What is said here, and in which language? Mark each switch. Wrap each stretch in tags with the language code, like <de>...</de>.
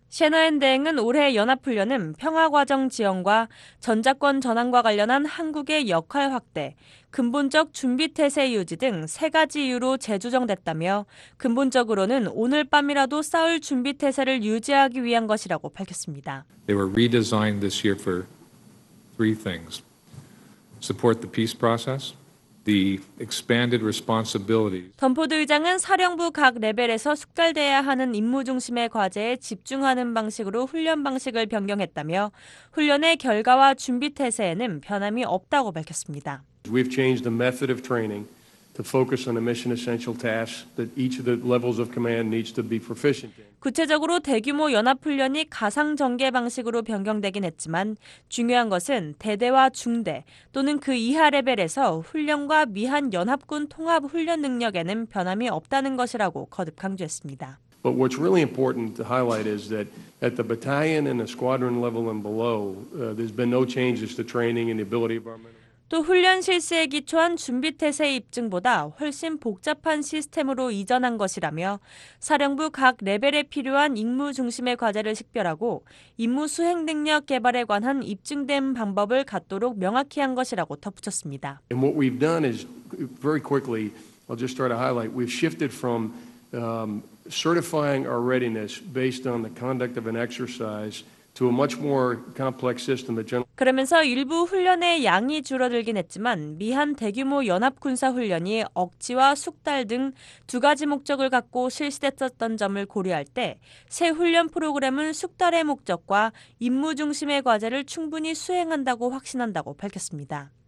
<ko>셰너헨 대행은 올해 연합훈련은 평화과정 지원과 전작권 전환과 관련한 한국의 역할 확대, 근본적 준비태세 유지 등 세 가지 이유로 재조정됐다며 근본적으로는 오늘 밤이라도 싸울 준비태세를 유지하기 위한 것이라고 밝혔습니다.</ko> <en>They were redesigned this year for three things. Support the peace process. The expanded responsibilities.</en> <ko>덤포드 의장은 사령부 각 레벨에서 숙달돼야 하는 임무 중심의 과제에 집중하는 방식으로 훈련 방식을 변경했다며 훈련의 결과와 준비 태세에는 변함이 없다고 밝혔습니다.</ko> <en>We've changed the method of training to focus on the mission essential tasks that each of the levels of command needs to be proficient in.</en> <ko>구체적으로 대규모 연합훈련이 가상 전개 방식으로 변경되긴 했지만 중요한 것은 대대와 중대 또는 그 이하 레벨에서 훈련과 미한 연합군 통합 훈련 능력에는 변함이 없다는 것이라고 거듭 강조했습니다.</ko> <en>But what's really important to highlight is that at the battalion and the squadron level and below, there's been no changes to training and the ability of our men.</en> <ko>또 훈련 실시에 기초한 준비태세 입증보다 훨씬 복잡한 시스템으로 이전한 것이라며 사령부 각 레벨에 필요한 임무 중심의 과제를 식별하고 임무 수행 능력 개발에 관한 입증된 방법을 갖도록 명확히 한 것이라고 덧붙였습니다.</ko> <en>And what we've done is very quickly, I'll just try to highlight, we've shifted from certifying our readiness based on the conduct of an exercise to a much more complex system that generally</en> <ko>그러면서 일부 훈련의 양이 줄어들긴 했지만 미한 대규모 연합군사 훈련이 억지와 숙달 등 두 가지 목적을 갖고 실시됐었던 점을 고려할 때 새 훈련 프로그램은 숙달의 목적과 임무 중심의 과제를 충분히 수행한다고 확신한다고 밝혔습니다.</ko>